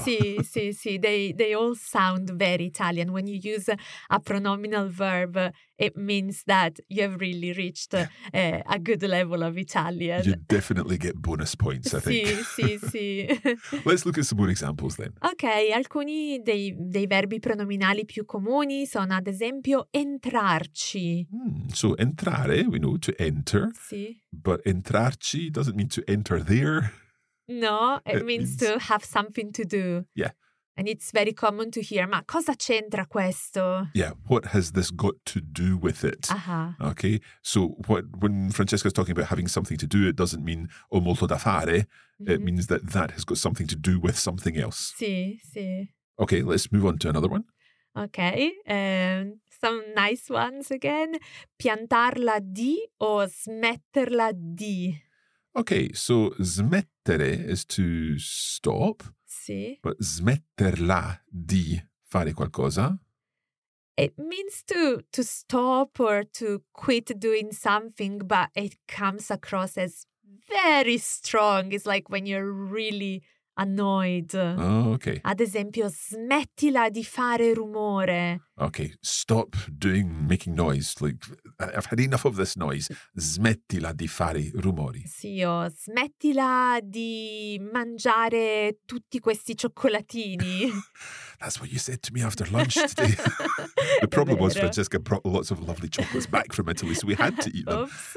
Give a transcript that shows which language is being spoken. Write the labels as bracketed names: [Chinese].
[Italian] Sì, sì, sì. [English] They all sound very Italian. When you use a pronominal verb, it means that you have really reached a good level of Italian. You definitely get bonus points, I think. [Italian] Sì, sì, sì. [English] Let's look at some more examples then. [Italian] Ok, alcuni dei verbi pronominali più comuni sono, ad esempio, entrarci. [English] So, entrare, we know to enter. [Italian] Sì. [English] But entrarci doesn't mean to enter there. No, it means to have something to do. Yeah. And it's very common to hear, [Italian] ma cosa c'entra questo? [English] Yeah, what has this got to do with it? Uh-huh. Okay, so when Francesca's talking about having something to do, it doesn't mean [Italian] o molto da fare. [English] Mm-hmm. It means that has got something to do with something else. [Italian] Sì, sì. [English] Okay, let's move on to another one. Okay, some nice ones again. [Italian] Piantarla di o smetterla di? [English] Okay, so smettere is to stop, [Italian] sì. But smetterla di fare qualcosa? [English] It means to stop or to quit doing something, but it comes across as very strong. It's like when you're really annoyed. Oh, okay. [Italian] Ad esempio, smettila di fare rumore. [English] Okay, stop making noise. Like, I've had enough of this noise. [Italian] Smettila di fare rumori. Sì, o smettila di mangiare tutti questi cioccolatini. [English] That's what you said to me after lunch today. The problem was Francesca brought lots of lovely chocolates back from Italy, so we had to eat them.